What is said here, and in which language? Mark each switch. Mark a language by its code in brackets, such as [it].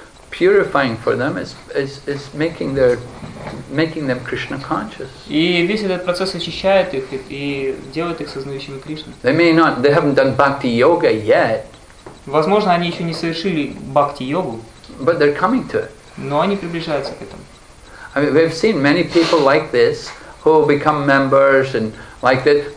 [en] Purifying for them is making them Krishna conscious. [ru] И весь этот процесс очищает их и делает их сознающими Кришну. [en] They haven't done bhakti yoga yet. [ru] Возможно, они еще не совершили бхакти йогу. [en] But they're coming to it. [ru] Но они приближаются к этому. [en] I mean, we've seen many people like this who become members and like that.